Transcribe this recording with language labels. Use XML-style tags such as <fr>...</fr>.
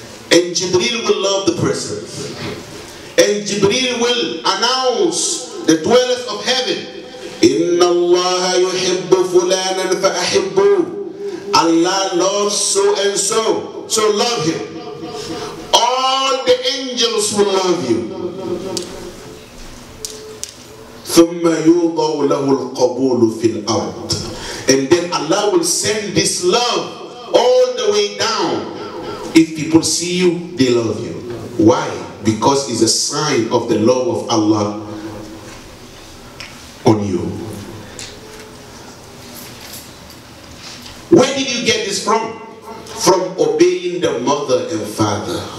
<en>And Jibreel will love the person. And Jibreel will announce the dwellers of heaven.</en> <ar>Inna Allaha yuhibbu fulanan fa'ahibbu.</ar> <en>Allah loves so and so, so love him. All the angels will love you.</en> <ar>ثم يوضع له القبول في الأرض.</ar> <en>And then Allah will send this love all the way down. If people see you, they love you. Why? Because it's a sign of the love of Allah on you. Where did you get this from? From obeying the mother and father.</en>